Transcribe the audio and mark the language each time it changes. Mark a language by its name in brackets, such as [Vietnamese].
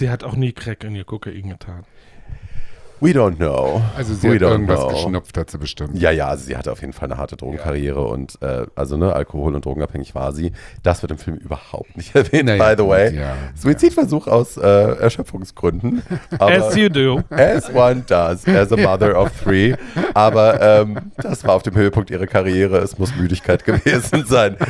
[German] Sie hat auch nie Crack in ihr Kokain getan. [English] We don't know. [German] Also sie hat irgendwas geschnupft, hat sie bestimmt. Ja, ja, also sie hatte auf jeden Fall eine harte Drogenkarriere ja. und also ne, alkohol- und drogenabhängig war sie. Das wird im Film überhaupt nicht erwähnt, naja, by the way. Ja, Suizidversuch ja. aus Erschöpfungsgründen. [English] Aber as you do. As one does, as a mother of three. [German] Aber das war auf dem Höhepunkt ihrer Karriere, es muss Müdigkeit gewesen sein.